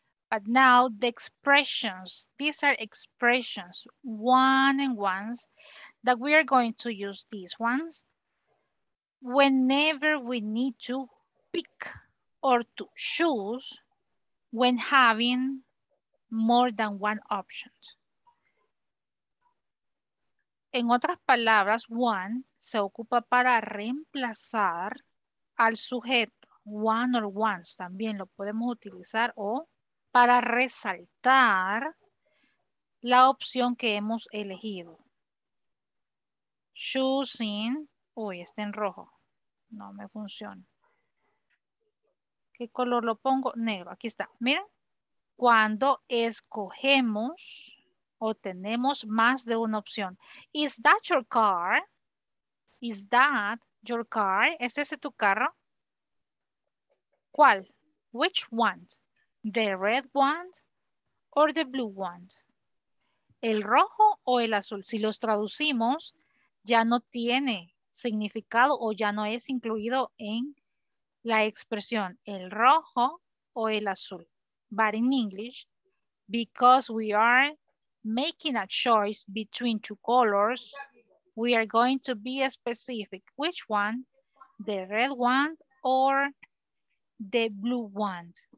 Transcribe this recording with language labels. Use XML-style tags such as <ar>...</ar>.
<en>But now the expressions, these are expressions, one and ones, that we are going to use these ones whenever we need to pick or to choose when having more than one option.</en> <es>En otras palabras, one se ocupa para reemplazar al sujeto, one or ones, también lo podemos utilizar, o para resaltar la opción que hemos elegido. Choosing, uy, está en rojo, no me funciona. ¿Qué color lo pongo? Negro, aquí está, miren. Cuando escogemos o tenemos más de una opción.</es> <en>Is that your car? Is that your car?</en> <es>¿Es ese tu carro? ¿Cuál?</es> <en>Which one? The red one or the blue one?</en> <es>¿El rojo o el azul? Si los traducimos, ya no tiene significado o ya no es incluido en la expresión el rojo o el azul.</es> <en>But in English, because we are making a choice between two colors, we are going to be specific. Which one? The red one or the blue one?</en>